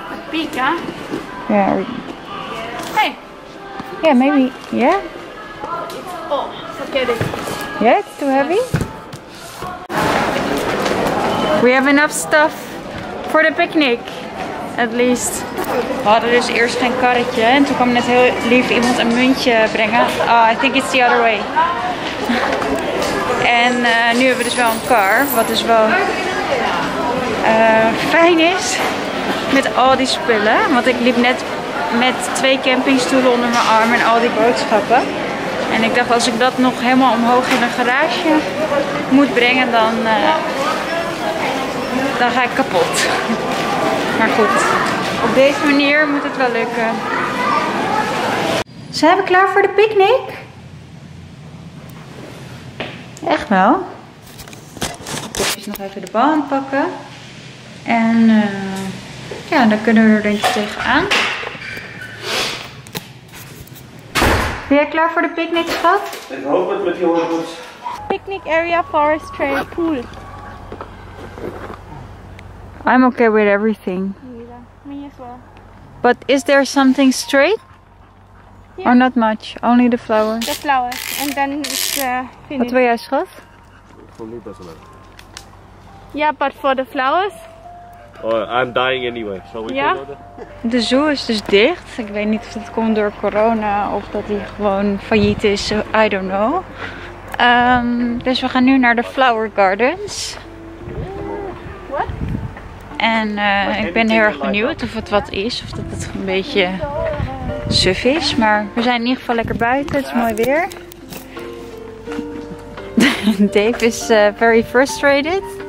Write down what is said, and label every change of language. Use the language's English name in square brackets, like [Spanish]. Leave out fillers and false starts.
[English] big, huh? Yeah. Yeah, maybe. Yeah. Oh, forget it. Yeah, it's too heavy. We have enough stuff for the picnic, at least. [Dutch] We hadden dus eerst een karretje en toen kwam net heel lief iemand een muntje brengen. [English] Oh, I think it's the other way. [Dutch] En nu hebben we dus wel een kar, wat dus wel fijn is met al die spullen, want ik liep net met twee campingstoelen onder mijn arm en al die boodschappen. En ik dacht, als ik dat nog helemaal omhoog in een garage moet brengen, dan ga ik kapot. Maar goed, op deze manier moet het wel lukken. Zijn we klaar voor de picknick? Echt wel. Ik ga nog even de band pakken. En ja, dan kunnen we er denk ik tegenaan. Ben jij klaar voor de picknick, schat? Ik hoop het met die hondjes. [English] Picnic area, forest trail, pool. I'm okay with everything. Me as well. But is there something straight? Yeah. Or not much? Only the flowers? The flowers. And then it's finished. [Dutch] Wat wil jij, schat? Ik vond niet dat zo leuk. [English] Yeah, but for the flowers? Oh, I'm dying anyway, shall we go? [Dutch] De zoo is dus dicht. Ik weet niet of dat komt door corona of dat hij gewoon failliet is. [English] I don't know. [Dutch] Dus we gaan nu naar de Flower Gardens. [English] What? [Dutch] En ik ben heel erg benieuwd of het wat is. Of dat het een beetje suf is. Maar we zijn in ieder geval lekker buiten. Het is mooi weer. [English] Dave is very frustrated.